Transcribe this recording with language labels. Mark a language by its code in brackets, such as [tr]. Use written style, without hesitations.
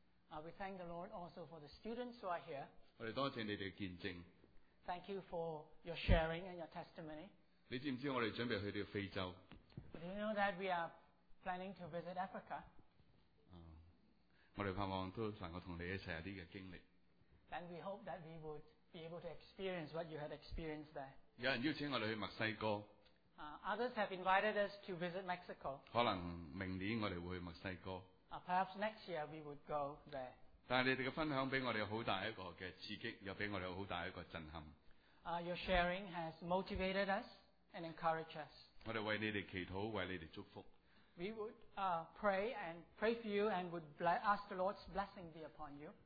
[en] We thank the Lord also for the students who are here. [yue] 我哋多谢你哋嘅见证。 [en] Thank you for your sharing and your testimony. [yue] 你知唔知我哋准备去到非洲 [en] ？Do you know that we are planning to visit Africa? [yue] 我哋盼望都能够同你一齐有啲嘅经历。 [en] And we hope that we would be able to experience what you had experienced there. [yue] 有人邀请我哋去墨西哥。 [en] Others have invited us to visit Mexico. [yue] 可能明年我哋会去墨西哥。 [en] Perhaps next year we would go there. [yue] 但系你哋嘅分享俾我哋好大一个嘅刺激，又俾我哋好大一个震撼。 [en] Your sharing has motivated us and encouraged us. [yue] 我哋为你哋祈祷，为你哋祝福。 [en] We would pray and pray for you and would ask the Lord's blessing be upon you.